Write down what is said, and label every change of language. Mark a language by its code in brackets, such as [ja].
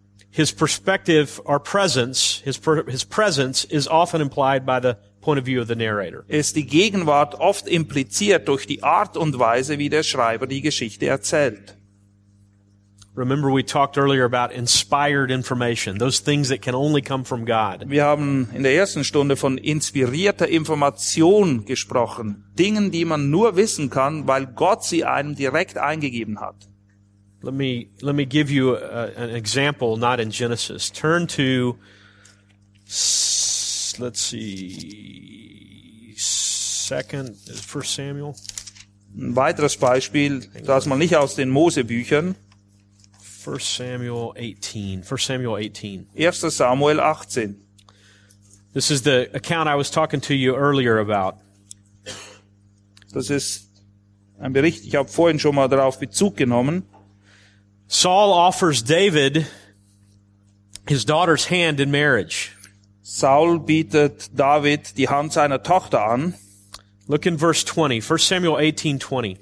[en] his perspective or presence, his presence is often implied by the point of view of the narrator. [de] Ist die Gegenwart oft impliziert durch die Art und Weise, wie der Schreiber die Geschichte erzählt. [en] Remember, we talked earlier about inspired information, those things that can only come from God. [de] Wir haben in der ersten Stunde von inspirierter Information gesprochen, Dingen, die man nur wissen kann, weil Gott sie einem direkt eingegeben hat. [en] Let me give you an example, not in Genesis. Turn to, let's see, 1 Samuel. [de] Ein weiteres Beispiel, das man nicht aus den Mosebüchern. [en] 1 Samuel 18. [de] 1. Samuel 18. [en] This is the account I was talking to you earlier about. [de] Das ist ein Bericht, ich habe vorhin schon mal darauf Bezug genommen. [en] Saul offers David his daughter's hand in marriage. [de] Saul bietet David die Hand seiner Tochter an. [en] Look in verse 20, 1 Samuel 18:20.